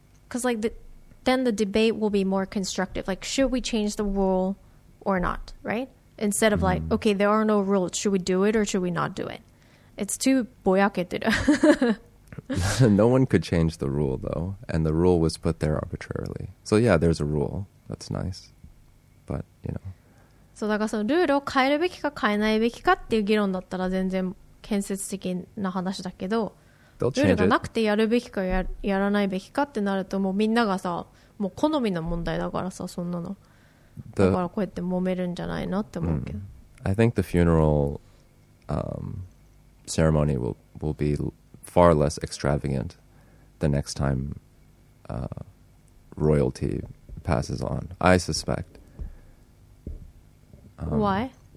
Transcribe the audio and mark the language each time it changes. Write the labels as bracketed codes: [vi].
[en] because like then the debate will be more constructive. Like, should we change the rule or not? Right? Instead of like, okay, there are no rules. Should we do it or should we not do it? It's too boyakete. No one could change the rule though, and the rule was put there arbitrarily. So yeah, there's a rule. That's nice, but you know. [ja] そうだからそのルールを変えるべきか変えないべきかっていう議論だったら全然建設的な話だけど、ルールがなくてやるべきか やらないべきかってなるともうみんながさもう好みの問題だからさそんなのだからこうやって揉めるんじゃないなって思うけど。 [en] I think the funeral ceremony will be far less extravagant the next time royalty passes on. I suspect. Why?